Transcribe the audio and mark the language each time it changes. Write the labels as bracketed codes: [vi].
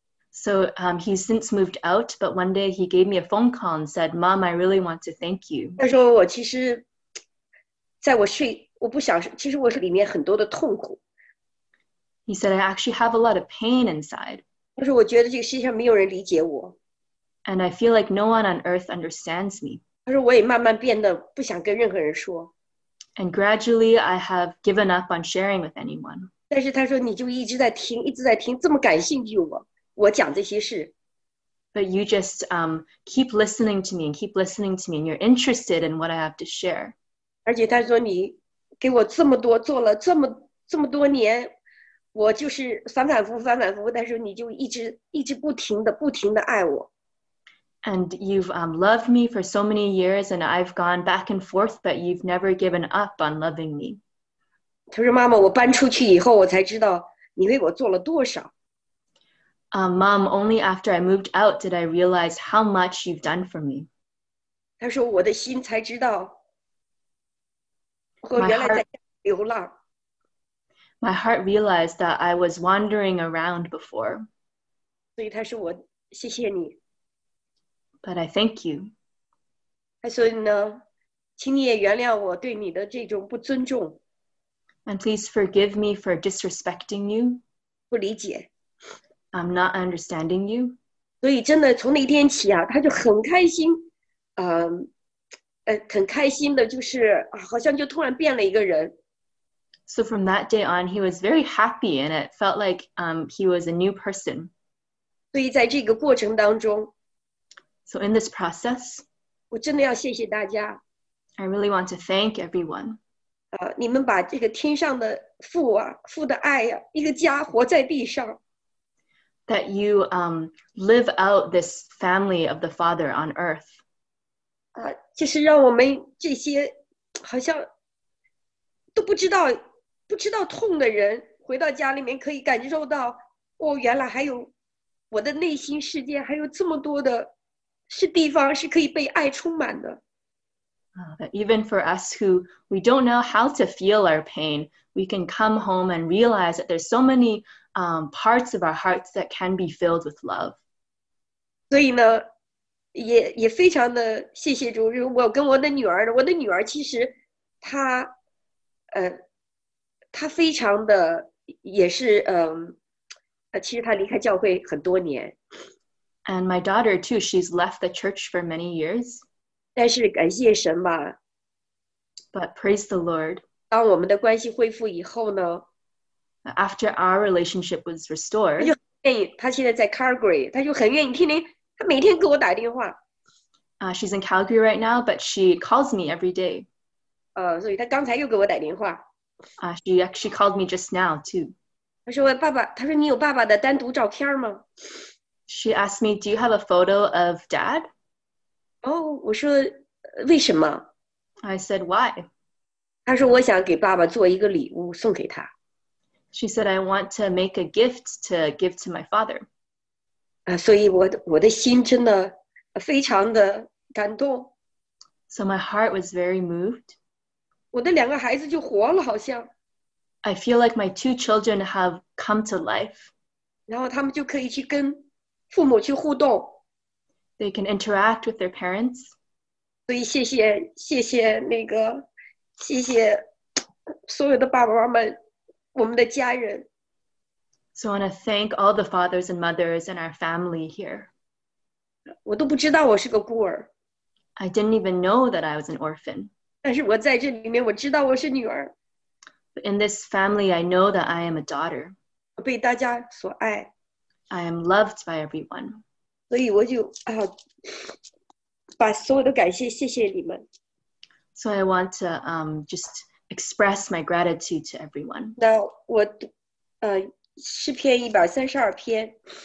[en] So he's since moved out, but one day he gave me a phone call and said, Mom, I really want to thank you. [zh] 他说我其实，在我睡，我不想，其实我里面很多的痛苦。 [en] He said, I actually have a lot of pain inside. [zh] 但是我觉得这个世界上没有人理解我。 [en] And I feel like no one on earth understands me. [zh] 他说我也慢慢变得不想跟任何人说。 [en] And gradually, I have given up on sharing with anyone. [zh] 但是他说你就一直在听，一直在听，这么感兴趣我讲这些事。 [en] But you just keep listening to me and keep listening to me, and you're interested in what I have to share. [zh] 而且他说你给我这么多，做了这么多年。我就是反反复复反反复复，但是你就一直不停的爱我。 [en] And you've loved me for so many years, and I've gone back and forth, but you've never given up on loving me. [zh] 他说：“妈妈，我搬出去以后，我才知道你为我做了多少。” [en] Mom, only after I moved out did I realize how much you've done for me. [zh] 他说：“我的心才知道，我原来在流浪。” [en] My heart realized that I was wandering around before. [zh] 所以他说我谢谢你。 [en] But I thank you. [zh] 所以呢，请你也原谅我对你的这种不尊重。 [en] And please forgive me for disrespecting you. [zh] 不理解。 [en] I'm not understanding you. [zh] 所以真的从那天起啊，他就很开心，嗯，很开心的，就是啊，好像就突然变了一个人。 [en] So from that day on, he was very happy, and it felt like he was a new person. [zh] 所以在这个过程当中 [en] ，So in this process, [zh] 我真的要谢谢大家。 [en] I really want to thank everyone. [zh] 你们把这个天上的父啊，父的爱啊，一个家活在地上。 [en] That you live out this family of the Father on earth. [zh] 就是让我们这些好像都不知道痛的人，回到家里面可以感受到，哦，原来还有我的内心世界，还有这么多的是地方是可以被爱充满的。 [en] That even for us who we don't know how to feel our pain, we can come home and realize that there's so many parts of our hearts that can be filled with love. [zh] 所以呢，也非常的谢谢主。我跟我的女儿，我的女儿其实她非常的也是其实她离开教会很多年。 [en] And my daughter too, she's left the church for many years. [zh] 但是感谢神吧。 [en] But praise the Lord. [zh] 当我们的关系恢复以后呢 [en] ？After our relationship was restored, [zh] 他就很愿意。他现在在 Calgary， 他就很愿意天天，他每天给我打电话。 [en] She's in Calgary right now, but she calls me every day. [zh] 所以他刚才又给我打电话。 [en] She actually called me just now too. [zh] 他说爸爸，他说你有爸爸的单独照片吗 [en] ？She asked me, "Do you have a photo of Dad?" [zh] 我说为什么 [en] ？I said why. [zh] 他说我想给爸爸做一个礼物送给他。 [en] She said I want to make a gift to give to my father. [zh] 所以我的心真的非常的感动。 [en] So my heart was very moved. [zh] 我的两个孩子就活了，好像。 [en] I feel like my two children have come to life. [zh] 然后他们就可以去跟父母去互动。 [en] They can interact with their parents. [zh] 所以谢谢所有的爸爸妈妈，我们的家人。 [en] So I want to thank all the fathers and mothers and our family here. [zh] 我都不知道我是个孤儿。 [en] I didn't even know that I was an orphan. [zh] 但是我在这里面，我知道我是女儿。 [en] But in this family, I know that I am a daughter. [zh] 被大家所爱。 [en] I am loved by everyone. [zh] 所以我就把所有的感谢谢谢你们。 [en] So I want to just express my gratitude to everyone. [zh] 那我诗篇132篇。